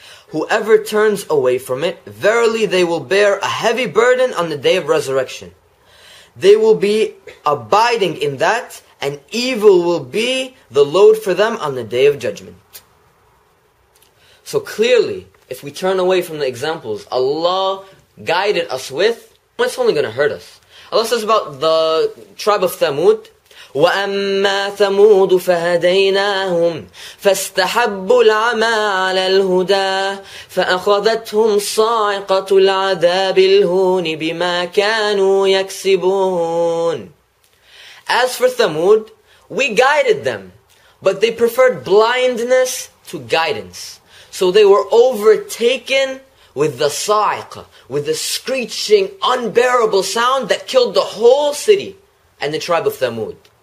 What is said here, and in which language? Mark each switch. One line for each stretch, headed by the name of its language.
English: Whoever turns away from it, verily they will bear a heavy burden on the day of resurrection. They will be abiding in that, and evil will be the load for them on the day of judgment. So clearly, if we turn away from the examples Allah guided us with, it's only going to hurt us. Allah says about the tribe of Thamud,
Arabic: وَأَمَّا ثَمُودُ فَهَدَيْنَاهُمْ فَاسْتَحَبُّ الْعَمَى عَلَى الْهُدَىٰ فَأَخَذَتْهُمْ صَاعِقَةُ الْعَذَابِ الْهُونِ بِمَا كَانُوا يَكْسِبُونَ.
English: As for Thamud, we guided them, but they preferred blindness to guidance. So they were overtaken with the sa'iqah, with the screeching, unbearable sound that killed the whole city and the tribe of Thamud.